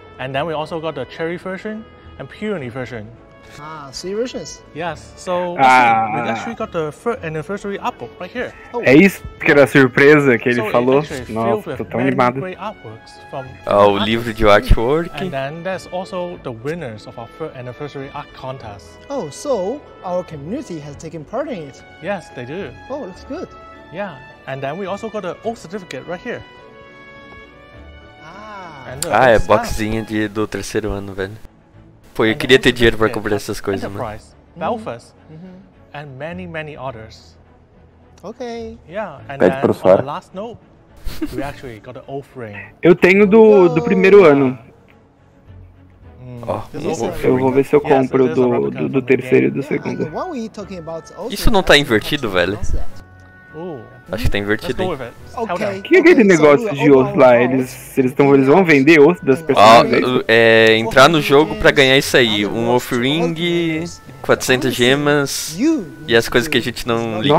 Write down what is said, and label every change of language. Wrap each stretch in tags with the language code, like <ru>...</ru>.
<en>And then we also got the cherry version and peony version. Ah, three versions. Yes. So we actually got the third anniversary artwork right here.</en> <pt>Oh. É isso que era a surpresa que ele falou. Nossa, tô tão animado. Ah, o livro de artwork.</pt> <en>And then there's also the winners of our third anniversary art contest. Oh, so our community has taken part in it. Yes, they do. Oh, looks good. Yeah. And then we also got the old certificate right here.</en> <pt>Ah, é boxinha de do terceiro ano, velho. Pô, eu queria ter dinheiro pra comprar essas coisas,</pt> <en>Enterprise,</en> <pt>mano.</pt> <en>Belfast, and many, many others. Okay. Yeah, and then, on the last note, we actually got an oath ring.</en> <pt>Eu tenho do primeiro ano. Ó, eu vou ver se eu compro do terceiro e do segundo. Isso não tá invertido, velho? Acho que tá invertido, hein? Okay. Que é aquele negócio de osso lá? Eles vão vender osso das pessoas? Ah, é entrar no jogo pra ganhar isso aí. Um off-ring, 400 gemas e as coisas que a gente não liga.</pt>